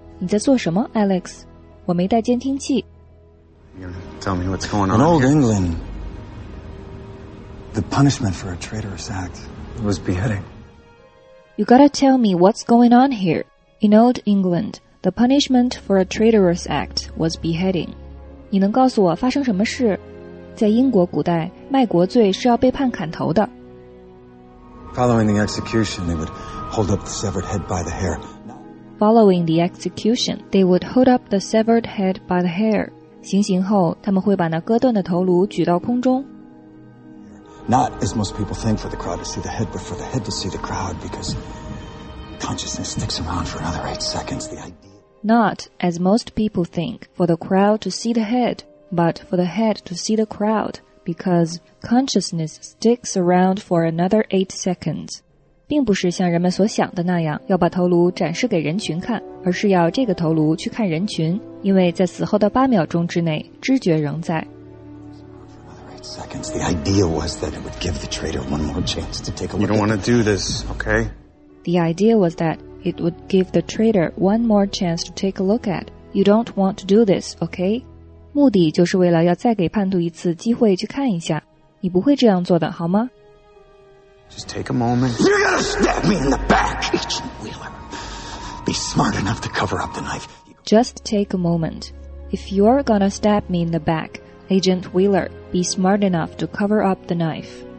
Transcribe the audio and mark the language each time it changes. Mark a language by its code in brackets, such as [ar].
[zh] 你在做什么, Alex? 我没带监听器。 [en] Tell me what's going on. In old England, the punishment for a traitorous act was beheading. You gotta tell me what's going on here. In old England, the punishment for a traitorous act was beheading. [zh] 你能告诉我发生什么事？在英国古代，卖国罪是要被判砍头的。 [en] Following the execution, they would hold up the severed head by the hair. Following the execution, they would hold up the severed head by the hair. [zh] 行刑后，他们会把那割断的头颅举到空中。 [en] Not as most people think for the crowd to see the head, but for the head to see the crowd, because consciousness sticks around for another 8 seconds. The idea. Not as most people think for the crowd to see the head, but for the head to see the crowd. Because consciousness sticks around for another 8 seconds. [zh] 并不是像人们所想的那样要把头颅展示给人群看，而是要这个头颅去看人群，因为在死后的8秒钟之内知觉仍在。 [en] The idea was that it would give the traitor one more chance to take a look. You don't want to do this, okay? The idea was that it would give the traitor one more chance to take a look at. You don't want to do this, okay? [zh] 目的就是为了要再给叛徒一次机会去看一下。你不会这样做的，好吗？ [en] Just take a moment. You're gonna stab me in the back, Agent Wheeler. Be smart enough to cover up the knife. Just take a moment. If you're gonna stab me in the back, Agent Wheeler, be smart enough to cover up the knife.